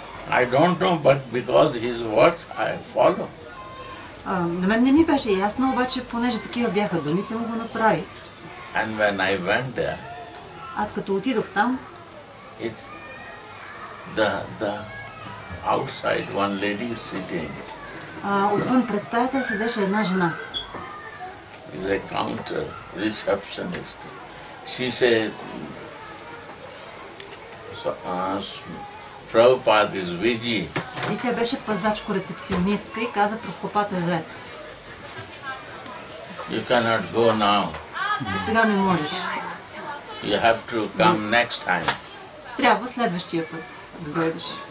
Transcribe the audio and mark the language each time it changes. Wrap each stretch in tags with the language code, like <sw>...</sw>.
<en>I don't know, but because his words, I follow.</en> <bg>На мен не ми беше ясно, обаче понеже такива бяха думите му го направи.</bg> <en>And when I went there,</en> <bg>аз като отидох там,</bg> <en>the outside one lady sitting.</en> <bg>Отвън представете седеше една жена.</bg> <en>With a counter receptionist, she said, so ask me. Prabhupada is busy.</en> <bg>И тя беше пазачко рецепционистка и каза Прабхупада е зает.</bg> <en>You cannot go now.</en> <bg>И сега не можеш.</bg> <en>You have to come next time.</en> <bg>Трябва следващия път да дойдеш.</bg>